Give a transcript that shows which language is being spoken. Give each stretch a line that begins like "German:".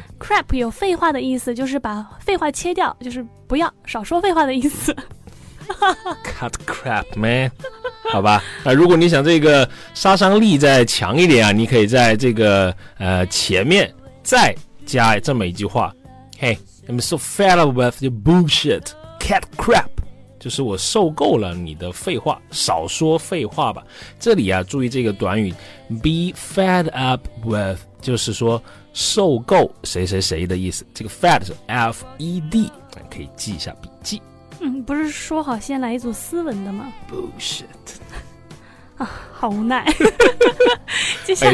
Chinese: crap 有废话的意思，就是把废话切掉，就是不要少说废话的意思。
English: cut crap man。
Chinese: 好吧，如果你想这个杀伤力再强一点啊，你可以在这个前面再加这么一句话。
English: Hey I'm so fed up with your bullshit cut crap，
Chinese: 就是我受够了你的废话，少说废话吧。这里啊，注意这个短语 be fed up with， 就是说受够谁谁谁的意思。这个 fed 是 F-E-D， 可以记一下笔记。不是说好先来一组斯文的吗？
English: Bullshit
Chinese: 啊，好无奈。接下来，